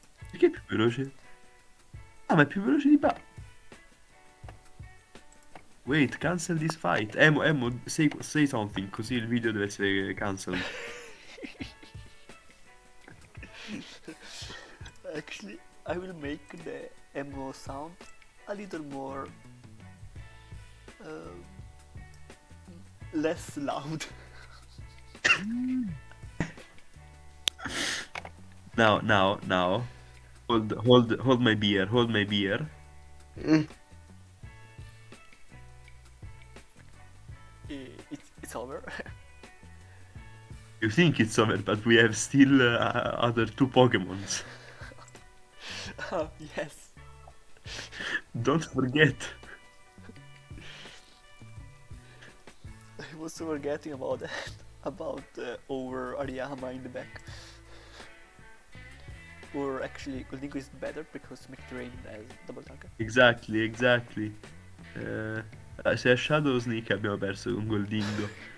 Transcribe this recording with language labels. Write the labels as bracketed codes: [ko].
[it] Perché è più veloce? Ah, ma è più veloce di Bah. [en] Wait, cancel this fight. [it] Emo, [en] say something, [it] così il video deve essere [en] cancelled. Actually, I will make the Emo sound a little more... less loud. Now. Hold my beer. It's over. You think it's over, but we have still other two Pokemons. Yes. Don't forget. I was forgetting about that. About over Ariyama in the back. Or actually, Goldingo is better because McDrain has double tanker. Exactly. [it] Se è Shadow Sneak abbiamo perso con Goldingo.